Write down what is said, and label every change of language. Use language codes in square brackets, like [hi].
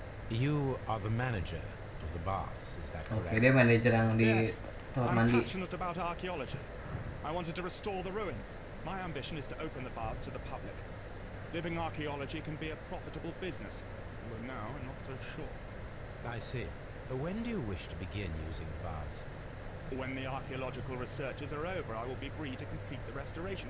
[en] You are the manager of the bath, is that correct? [id] Oke, dia manajer yang di tempat mandi. [en] I'm passionate about archaeology. I wanted to restore the ruins. My ambition is to open the bath to the public. Living archaeology can be a profitable business. Well, now I'm not so sure. I see. When do you wish to begin using the baths? When the archaeological researches are over, I will be free to complete the restoration.